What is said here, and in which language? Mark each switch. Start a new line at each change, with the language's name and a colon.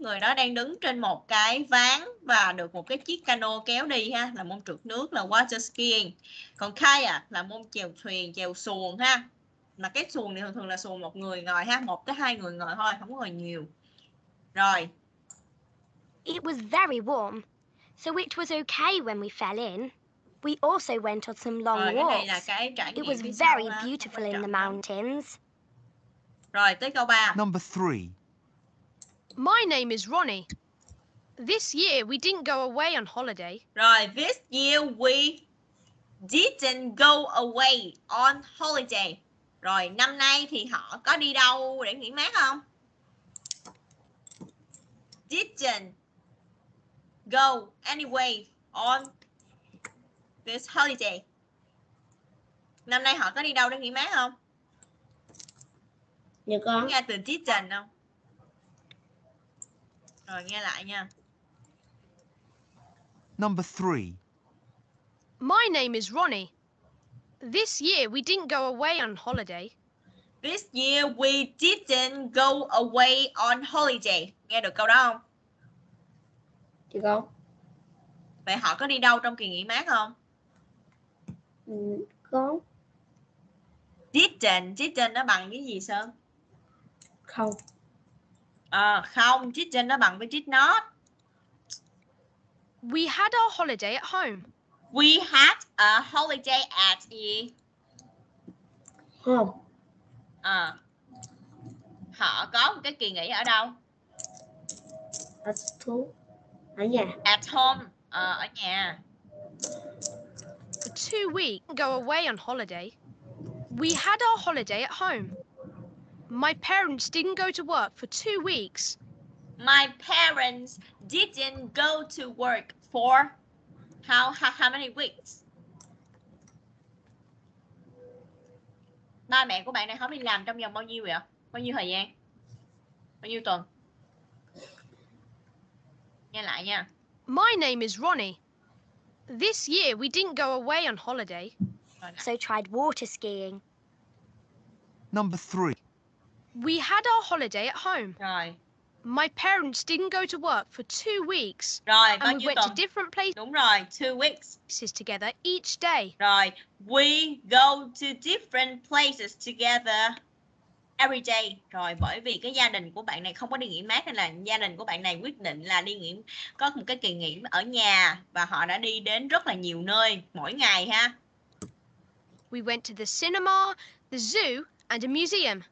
Vietnamese: Người đó đang đứng trên một cái ván và được một cái chiếc cano kéo đi ha. Là môn trượt nước, là water skiing. Còn kayak là môn chèo thuyền, chèo xuồng ha. Mà cái xuồng này thường là xuồng một người ngồi ha. Một tới hai người ngồi thôi, không có ngồi nhiều. Rồi.
English: It was very warm. So it was okay when we fell in. We also went on some long walks.
Vietnamese: Cái này là cái trải nghiệm.
English: It was very beautiful in the mountains.
Vietnamese: Rồi, tới câu 3.
English: Number 3. My name is Ronnie. This year we didn't go away on holiday. Right, this year we didn't go away on holiday.
Vietnamese: Rồi, năm nay thì họ có đi đâu để nghỉ mát không?
English: Didn't go anyway on this holiday.
Vietnamese: Năm nay họ có đi đâu để nghỉ mát không? Dạ có. Nghe từ didn't không? Rồi nghe lại nha.
English: Number 3. My name is Ronnie. This year we didn't go away on holiday. This year we didn't go away on holiday.
Vietnamese: Nghe được câu đó không? Chị không? Vậy họ có đi đâu trong kỳ nghỉ mát không? Không. Didn't nó bằng cái gì Sơn? Không. À, không, didn't nó bằng với
English: did not. We had our holiday at home. We had a holiday at gì? Home.
Vietnamese: À, họ có một cái kỳ nghỉ ở đâu?
English: At home.
Vietnamese: Ở nhà.
English: At home.
Vietnamese: À, ở nhà.
English: For 2 weeks, go away on holiday. We had our holiday at home. My parents didn't go to work for 2 weeks. My parents didn't go to work for how many weeks?
Vietnamese: Ba mẹ của bạn này không đi làm trong vòng bao nhiêu vậy? Bao nhiêu thời gian? Bao nhiêu tuần? Nghe lại nha.
English: My name is Ronnie. This year we didn't go away on holiday. So tried water skiing. Number 3. We had our holiday at home.
Vietnamese: Rồi.
English: My parents didn't go to work for 2 weeks.
Vietnamese: Rồi,
English: and we went to different places.
Vietnamese: Đúng rồi, 2 weeks.
English: Together each day. Rồi, we go to different places together every day.
Vietnamese: Rồi, bởi vì cái gia đình của bạn này không có đi nghỉ mát nên là gia đình của bạn này quyết định là đi nghỉ, có một cái kỳ nghỉ ở nhà và họ đã đi đến rất là nhiều nơi mỗi ngày ha.
English: We went to the cinema, the zoo, and a museum.